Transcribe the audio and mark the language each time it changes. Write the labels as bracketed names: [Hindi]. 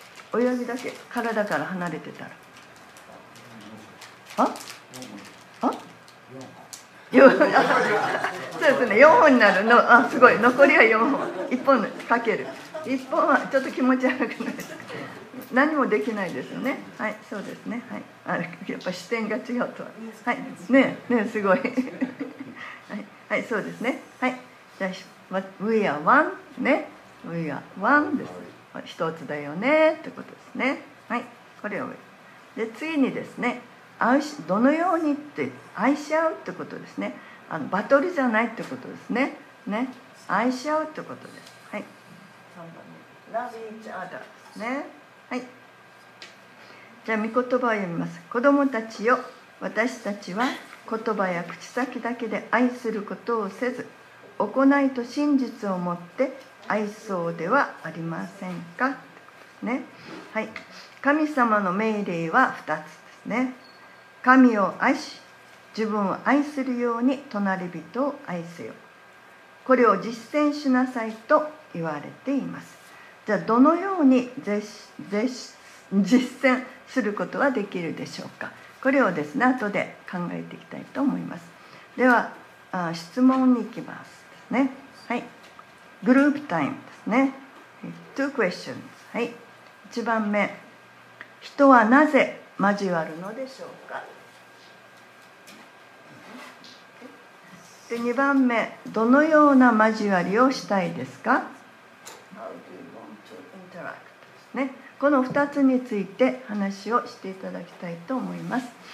[Japanese] 親指だけ体から離れてたら、ああ4本。そうですね、4本になるの。あ、すごい、残りは4本、1本かける1本はちょっと気持ち悪くないですか。何もできないですよね。はい、そうですね、はい、あ、やっぱ視点が違うとは、はい、ねえ、ねえ、すごい。はい、はい、そうですね。はい、じゃあ [English] We are one、 [Japanese] ね、We are one です。一つだよねってことですね。はい、これをで次にですね、どのようにって愛し合うってことですね。あのバトルじゃないってことですね。ね、愛し合うってことです。はい、 [English] Love each other [Japanese] ですね。はい、じゃあ御言葉を読みます。子供たちよ、私たちは言葉や口先だけで愛することをせず、行いと真実をもって愛そうではありませんかですね。はい、神様の命令は2つですね。神を愛し、自分を愛するように隣人を愛せよ。これを実践しなさいと言われています。じゃあどのように実践することはできるでしょうか。これをですね、後で考えていきたいと思います。では質問に行きますね。はい、グループタイムですね。 2 questions。はい、1番目、人はなぜ交わるのでしょうか。で、2番目、どのような交わりをしたいですか。 [English] How do you want to interact? [Japanese] ですね。この2つについて話をしていただきたいと思います。